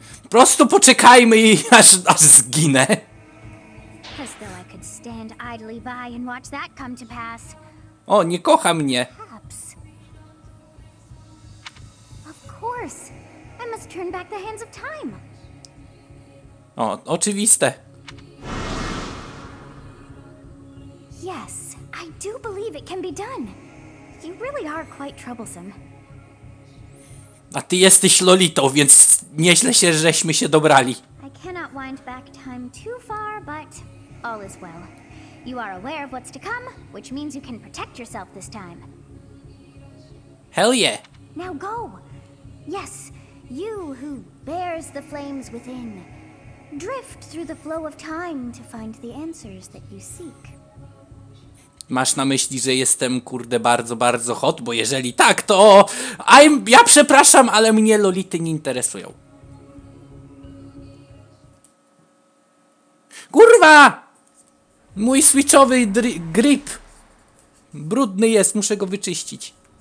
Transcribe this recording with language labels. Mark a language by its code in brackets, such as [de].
[pl] Prosto poczekajmy i aż zginę. [en] As though I could stand idly by and watch that come to pass. [pl] O, nie kocha mnie. [en] Of course. I must turn back the hands of time. [pl] O, oczywiste. [en] Yes, I do believe it can be done. You really are quite troublesome. [pl] A ty jesteś Lolitą, więc nieźle się, żeśmy się dobrali. [en] I cannot wind back time too far, but all is well. You are aware of what's to come, which means you can protect yourself this time. Hell yeah! Now go! Yes, you who bears the flames within. Drift through the flow of time to find the answers that you seek. [pl] Masz na myśli, że jestem, kurde, bardzo, bardzo hot? Bo jeżeli tak, to... ja przepraszam, ale mnie Lolity nie interesują. Kurwa! Mój switchowy grip brudny jest, muszę go wyczyścić.